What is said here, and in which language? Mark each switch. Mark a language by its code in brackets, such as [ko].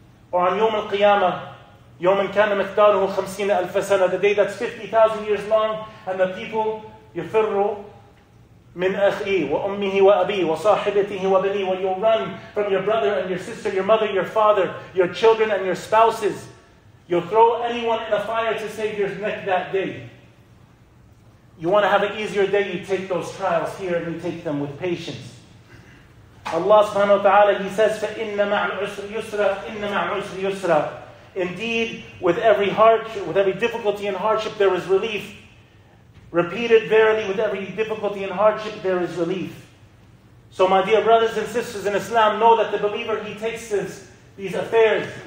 [en] Or on Yawm Al-Qiyamah? [ar] يوم كان مقداره 50,000 سنة, [en] the day that's 50,000 years long, and the people [ar] يفروا من أخيه وأمه وأبيه وصاحبته وبنيه, [en] when you'll run from your brother and your sister, your mother, your father, your children and your spouses, you'll throw anyone in a fire to save your neck that day. You want to have an easier day, you take those trials here and you take them with patience. [ar] Allah subhanahu wa ta'ala, [en] He says, [ar] فَإِنَّ مَعْ الْعُسْرِ يُسْرَ إِنَّ مَعْ الْعُسْرِ يُسْرَ. [en] Indeed, with every hardship, with every difficulty and hardship, there is relief. Repeated verily, with every difficulty and hardship, there is relief. So my dear brothers and sisters in Islam, know that the believer, he takes these affairs.